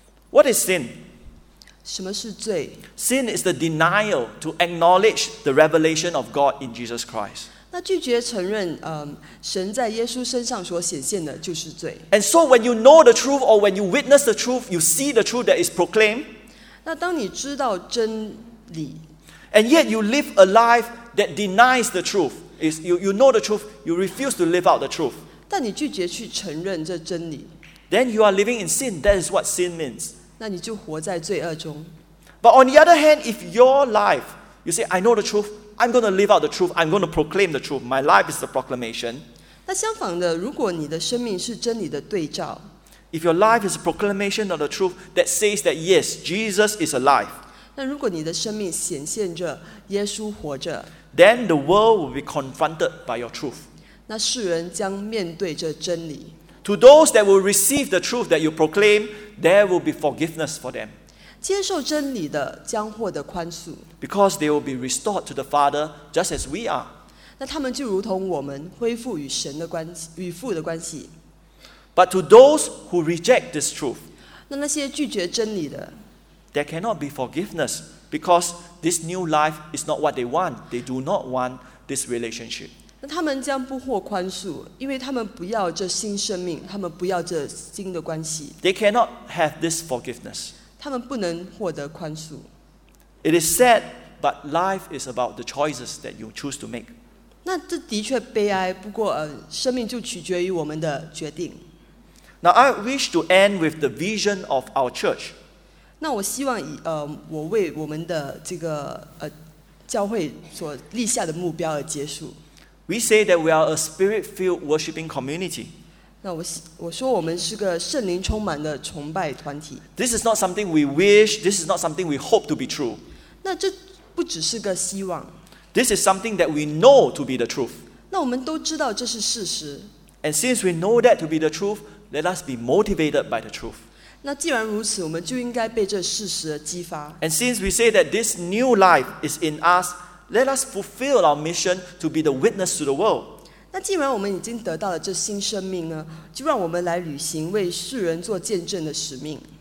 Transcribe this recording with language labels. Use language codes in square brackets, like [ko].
[en] What is sin? [zh] 什么是罪？ [en] Sin is the denial to acknowledge the revelation of God in Jesus Christ. [zh] 那拒绝承认，神在耶稣身上所显现的就是罪。 [en] And so when you know the truth or when you witness the truth, you see the truth that is proclaimed. [zh] 那当你知道真理。 [en] And yet you live a life that denies the truth. You know the truth, you refuse to live out the truth. [zh] 但你拒绝去承认这真理。 [en] Then you are living in sin. That is what sin means. [zh] 那你就活在罪恶中。 [en] But on the other hand, if your life, you say, I know the truth, I'm going to live out the truth, I'm going to proclaim the truth. My life is the proclamation. [zh] 那相反的，如果你的生命是真理的对照。 [en] If your life is a proclamation of the truth that says that yes, Jesus is alive. [zh] 那如果你的生命显现着耶稣活着 [en] ，Then the world will be confronted by your truth. [zh] 那世人将面对着真理。 [en] To those that will receive the truth that you proclaim, there will be forgiveness for them. [zh] 接受真理的将获得宽恕。 [en] Because they will be restored to the Father just as we are. [zh] 那他们就如同我们恢复与神的关系，与父的关系。 [en] But to those who reject this truth, [zh] 那些拒绝真理的。 [en] There cannot be forgiveness because this new life is not what they want. They do not want this relationship. [zh] 那他们将不获宽恕，因为他们不要这新生命，他们不要这新的关系。 [en] They cannot have this forgiveness. [zh] 他们不能获得宽恕。 [en] It is sad, but life is about the choices that you choose to make. [zh] 那这的确悲哀，不过生命就取决于我们的决定。 [en] Now I wish to end with the vision of our church. [zh] 那我希望以我为我们的这个教会所立下的目标而结束。 [en] We say that we are a spirit-filled worshiping community. [zh] 那我说我们是个圣灵充满的崇拜团体。 [en] This is not something we wish. This is not something we hope to be true. [zh] 那这不只是个希望。 [en] This is something that we know to be the truth. [zh] 那我们都知道这是事实。 [en] And since we know that to be the truth, let us be motivated by the truth. [zh] 那既然如此，我们就应该被这事实激发。 [en] And since we say that this new life is in us, let us fulfill our mission to be the witness to the world. [zh] 那既然我们已经得到了这新生命呢，就让我们来履行为世人做见证的使命。